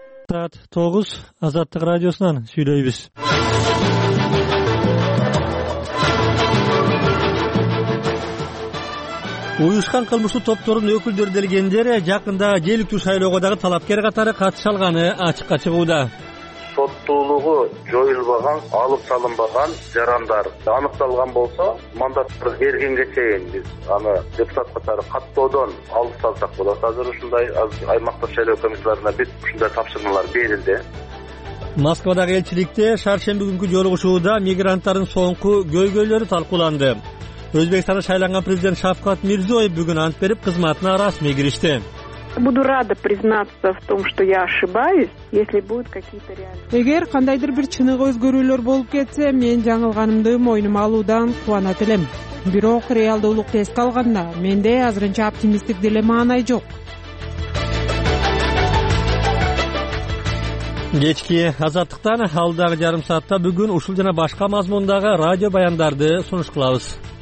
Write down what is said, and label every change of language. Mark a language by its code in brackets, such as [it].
[ky] Saat 9 Azadlık Radyosu'ndan söyleyebiz. Uyuşkan kılmıştı topturun öküldür delgenleri yakında geliktuş hayloğu dağı talapkere katarı katışalganı açık açık uda. Соттуулугу жоюлбаган, алып салынбаган жарандар аныкталган болсо, мандаттарды бергенге чейин биз аны депутатка тары каттоодон алып салсак болот. Азыр ушундай аймактык шайлоо комиссияларына бир ушундай тапшырмалар берилди. Москвадагы элчиликте шаршемби күнкү жолугушууда мигранттардын соңку көйгөйлөрү талкууланды. Өзбекстанда шайланган президент Шавкат Мирзиёев бүгүн ант берип кызматына расмий киришти. [ru] Буду рада признаться в том, что я ошибаюсь, если будут какие-то реальные. [ky] Эгер кандайдыр бир чыныгы өзгөрүүлөр болуп кетсе, мен жаңылганымды мойнума алуудан кубанат элем. Бирок реалдуулукту эске алганда, менде азырынча оптимисттик деле маанай жок. Кечки азаттыктан алдагы жарым саатта бүгүн ушул жана башка мазмундагы радио баяндарды сунуш кылабыз.